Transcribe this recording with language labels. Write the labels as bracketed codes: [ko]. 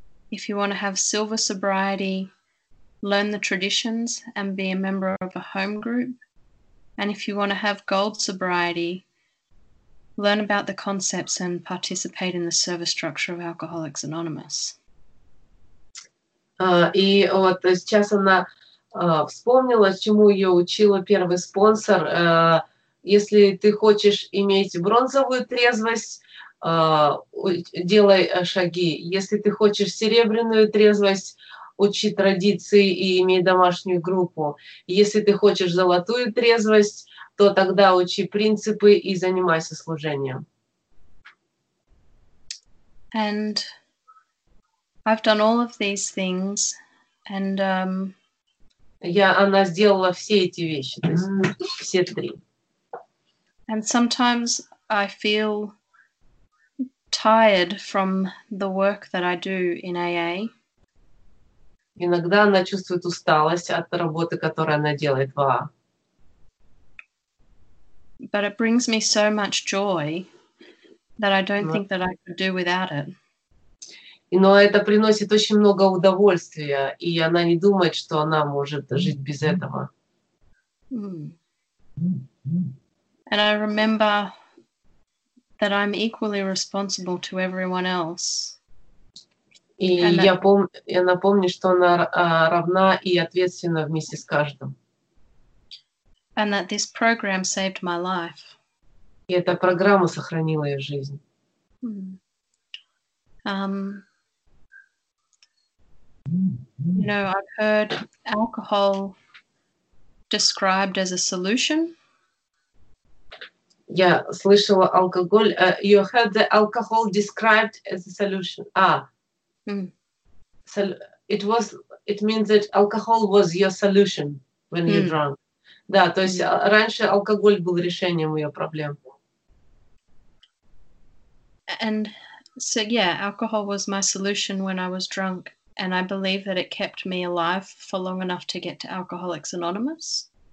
[en] If you want to have silver sobriety, learn the traditions and be a member of a home group. And if you want to have gold sobriety, learn about the concepts and participate in the service structure of Alcoholics Anonymous. [ru] И вот сейчас она вспомнила, чему ее учила первый спонсор. Если ты хочешь иметь бронзовую трезвость, делай шаги. Если ты хочешь серебряную трезвость, учи традиции и имей домашнюю группу. Если ты хочешь золотую трезвость, то тогда учи принципы и занимайся служением. [en] And I've done all of these things, and [ru] она сделала все эти вещи, то есть все три. [en] And sometimes I feel tired from the work that I do in AA. [ru] Иногда она чувствует усталость от работы, которую она делает в АА. [en] But it brings me so much joy that I don't think that I could do without it. [ru] Но это приносит очень много удовольствия, и она не думает, что она может жить без этого. [en] And I remember that I'm equally responsible to everyone else. [ru] И я напомню, что она равна и ответственна вместе с каждым. [en] And that this program saved my life. [ru] И эта программа сохранила ее жизнь. [en] You know, I've heard alcohol described as a solution. [ru] Я слышала алкоголь. [en] You heard the alcohol described as a solution. So it means that alcohol was your solution when you drank. [ru] Да, то есть раньше алкоголь был решением ее проблем. [en] And so, yeah, alcohol was my solution when I was drunk, and I believe that it kept me alive for long enough to get to Alcoholics Anonymous.